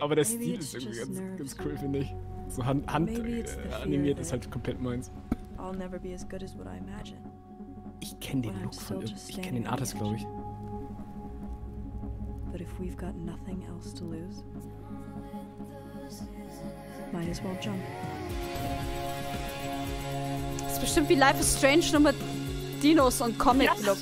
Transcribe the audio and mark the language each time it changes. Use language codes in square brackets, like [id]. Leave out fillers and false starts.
[de] Aber der Stil ist irgendwie ganz cool, finde ich. So Hand animiert ist halt komplett meins. [en] I'll never be as good as what I imagine. [de] Ich kenne den Look von ich kenne den Artist, glaube ich. [en] But if we've got nothing else to lose, might as well jump. [de] Das ist bestimmt wie Life is Strange, nur mit Dinos und Comic-Look.